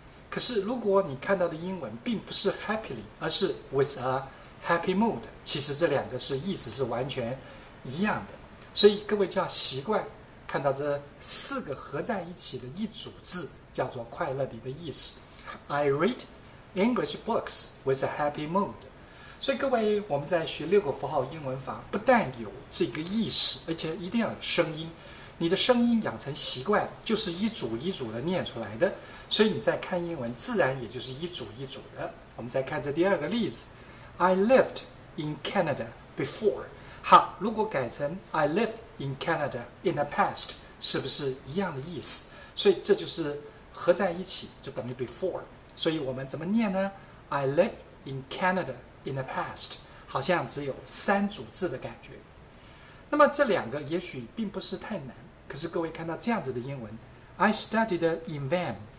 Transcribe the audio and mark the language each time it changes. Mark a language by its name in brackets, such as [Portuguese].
[Chinese] 可是，如果你看到的英文并不是 happily，而是 [English] with a happy mood， [Chinese] 其实这两个是意思是完全一样的。所以各位就要习惯看到这四个合在一起的一组字，叫做快乐的意思。 [English] I read English books with a happy mood。 [Chinese] 所以各位，我们在学六个符号英文法，不但有这个意识，而且一定要有声音。你的声音养成习惯，就是一组一组的念出来的，所以你在看英文，自然也就是一组一组的。我们再看这第二个例子： [English] I lived in Canada before。 [Chinese] 好，如果改成 [English] I lived in Canada in the past， [Chinese] 是不是一样的意思？所以这就是合在一起，就等于 before。所以我们怎么念呢？ [English] I lived in Canada in the past， [Chinese] 好像只有三组字的感觉。那么这两个也许并不是太难。可是各位看到这样子的英文， [English] I studied in vain。